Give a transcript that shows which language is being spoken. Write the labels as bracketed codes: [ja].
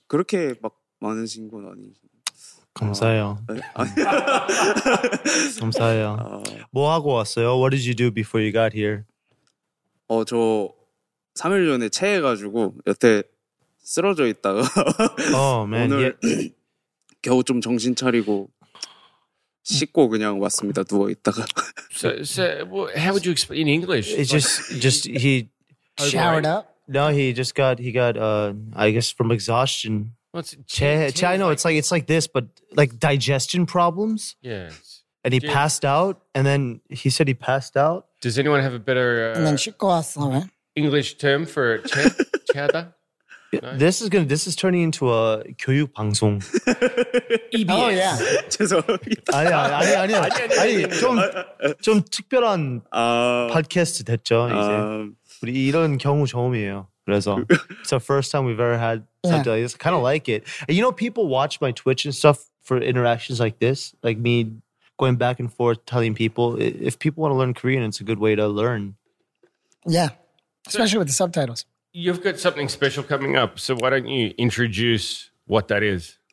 [ko] 그렇게 막 많으신 건 아니죠. 감사해요. 감사해요. 뭐 하고 왔어요? [en] What did you do before you got here? [ko] 저 3일 전에 체해가지고 여태 쓰러져 있다가 오늘 겨우 좀 정신 차리고 씻고 그냥 왔습니다. 누워 있다가. [en] So, how would you explain in English? It's just he showered up. No, he just got I guess from exhaustion. What's it? I know it's like this, but like digestion problems. Yes. And he passed out, and then he said he passed out. Does anyone have a better English term for chada? No? This is turning into a [ko] 교육 방송. [en] EBS. Oh yeah. [ko] 죄송합니다. 아니 아니 좀 특별한 팟캐스트 됐죠 이제. 우리 이런 경우 처음이에요. 그래서 [en] it's the first time we've ever had something like this. Kind of like it. And you know, people watch my Twitch and stuff for interactions like this, like me going back and forth telling people. If people want to learn Korean, it's a good way to learn. Yeah, especially with the subtitles. You've got something special coming up, so why don't you introduce what that is?